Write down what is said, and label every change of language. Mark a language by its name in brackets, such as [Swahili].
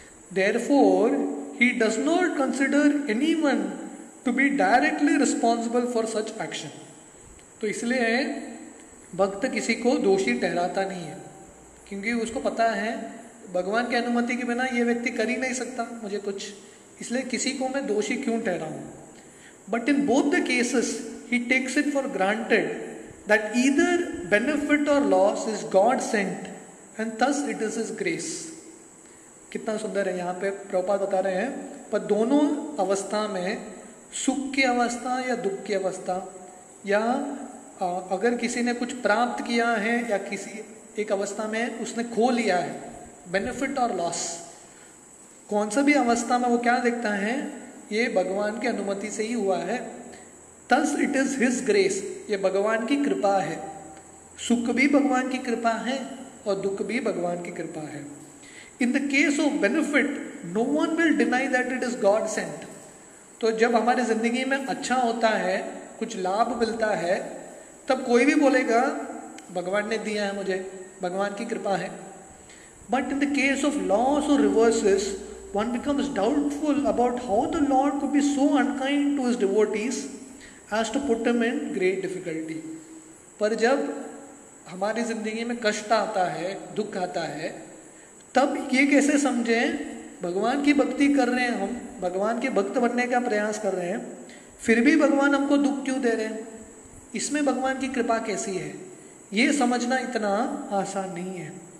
[English] Therefore, he does not consider anyone to be directly responsible for such action. [Hindi] तो इसलिए भक्त किसी को दोषी ठहराता नहीं है, क्योंकि उसको पता है भगवान की अनुमति के बिना ये व्यक्ति कर ही नहीं सकता मुझे कुछ, इसलिए किसी को मैं दोषी क्यों ठहराऊं. [English] But in both the cases, he takes it for granted that either benefit or loss is God sent and thus it is his grace. [Hindi] कितना सुंदर है यहाँ पे प्रभुपाद बता रहे हैं, पर दोनों अवस्था में, सुख की अवस्था या दुख की अवस्था, या अगर किसी ने कुछ प्राप्त किया है या किसी एक अवस्था में उसने खो लिया है, बेनिफिट और लॉस, कौन सा भी अवस्था में वो क्या देखता है, ये भगवान की अनुमति से ही हुआ है, [English] thus it is his grace, [Hindi] ये भगवान की कृपा है. सुख भी भगवान की कृपा है और दुख भी भगवान की कृपा है. [English] In the case of benefit, no one will deny that it is God sent. [Hindi] तो जब हमारे जिंदगी में अच्छा होता है, कुछ लाभ मिलता है, तब कोई भी बोलेगा भगवान ने दिया है मुझे, भगवान की कृपा है. [English] But in the case of loss or reverses, one becomes doubtful about how the Lord could be so unkind to his devotees as to put him in great difficulty. [Hindi] पर जब हमारी जिंदगी में कष्ट आता है, दुख आता है, तब ये कैसे समझें भगवान की भक्ति कर रहे हैं हम, भगवान के भक्त बनने का प्रयास कर रहे हैं, फिर भी भगवान हमको दुख क्यों दे रहे हैं, इसमें भगवान की कृपा कैसी है, ये समझना इतना आसान नहीं है.